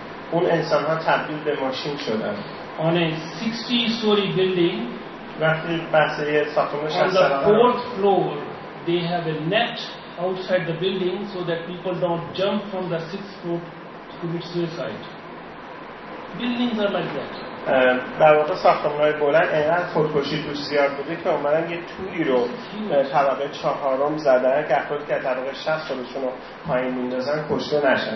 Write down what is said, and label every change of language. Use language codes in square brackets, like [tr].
[fa] اون انسان ها تبدیل به ماشین شدن. [en] On a 60 story building, [fa] وقتی بحث یه ساختمان 60 [en] story. On the fourth floor, they have a net outside the building so that people don't jump from the sixth floor to commit suicide. Buildings are like that. [fa] در واقع ساختمان‌های بلند اینقدر خودکشی توش زیاد بوده که اومدن یه تویی رو طبقه چهارم زدن که افراد که طبقه شست خودشون رو پایین میندازن کشته نشن.